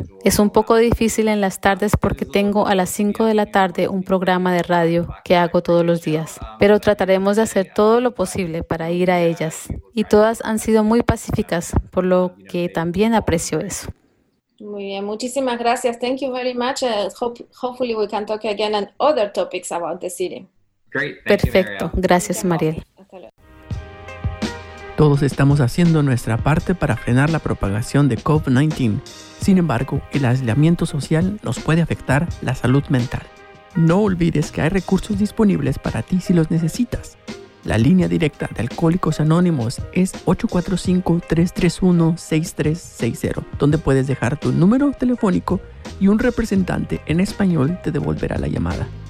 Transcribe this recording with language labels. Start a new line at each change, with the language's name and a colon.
Spanish: Es un poco difícil en las tardes porque tengo a las 5 de la tarde un programa de radio que hago todos los días. Pero trataremos de hacer todo lo posible para ir a ellas. Y todas han sido muy pacíficas, por lo que también aprecio eso. Muy bien, muchísimas gracias.
English: Thank you very much. Hopefully we can talk again on other topics about the city. Great. Thank
Spanish: Perfecto.
English: You, Mariel.
Spanish: Gracias, Mariel. Todos estamos haciendo nuestra parte para frenar la propagación de COVID-19. Sin embargo, el aislamiento social nos puede afectar la salud mental. No olvides que hay recursos disponibles para ti si los necesitas. La línea directa de Alcohólicos Anónimos es 845-331-6360, donde puedes dejar tu número telefónico y un representante en español te devolverá la llamada.